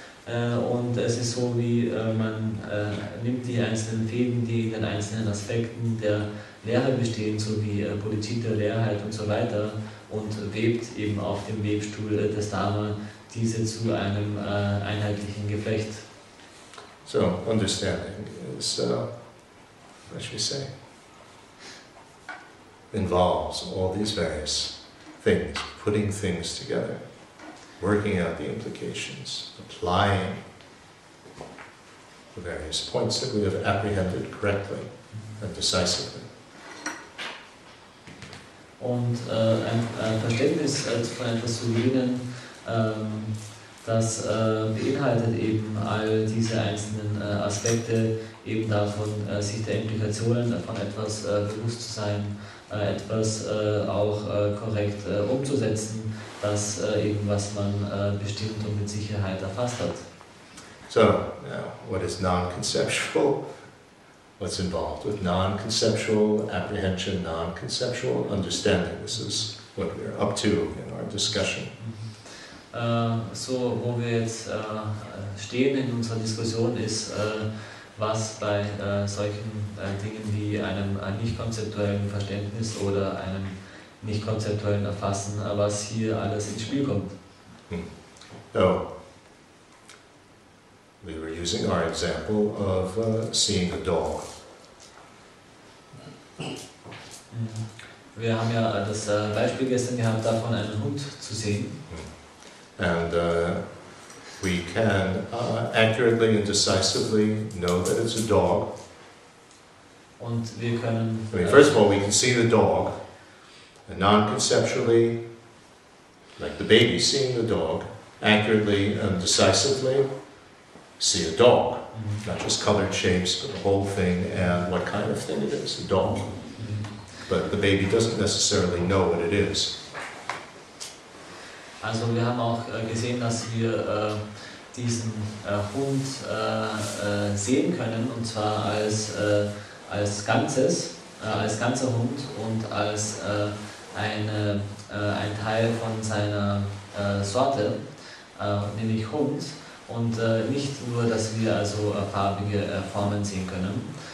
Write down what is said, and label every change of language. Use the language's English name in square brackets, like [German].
[German] Und es ist so, wie man nimmt die einzelnen Fäden, die in den einzelnen Aspekten der Lehre bestehen, so wie Bodhicitta, der Leerheit und so weiter, und webt eben auf dem Webstuhl des Dharma diese zu einem einheitlichen Geflecht. [English] So, understanding is, what should we say, involves all these various things, putting things together, working out the implications, applying the various points that we have apprehended correctly and decisively. [German] Und ein Verständnis von etwas zu gewinnen, das beinhaltet eben all diese einzelnen Aspekte, eben davon, sich der Implikationen von etwas bewusst zu sein, etwas auch korrekt umzusetzen, das eben, was man bestimmt und mit Sicherheit erfasst hat. [English] So, now, what is non-conceptual? What's involved with non-conceptual apprehension, non-conceptual understanding? This is what we're up to in our discussion. [German] So, wo wir jetzt stehen in unserer Diskussion ist, was bei solchen Dingen wie einem nicht-konzeptuellen Verständnis oder einem nicht-konzeptuellen Erfassen, was hier alles ins Spiel kommt. [English] So, we were using our example of seeing a dog. [German] Wir haben ja das Beispiel gestern gehabt, davon einen Hund zu sehen. [English] And we can accurately and decisively know that it's a dog. [German] Und wir können, [English] I mean, first of all, we can see the dog, and non-conceptually, like the baby seeing the dog, accurately and decisively see a dog. Mm-hmm. Not just colored shapes, but the whole thing and what kind of thing it is, a dog. Mm-hmm. But the baby doesn't necessarily know what it is. [German] Also wir haben auch gesehen, dass wir diesen Hund sehen können, und zwar als Ganzes, als ganzer Hund und als ein Teil von seiner Sorte, nämlich Hund, und nicht nur, dass wir also farbige Formen sehen können.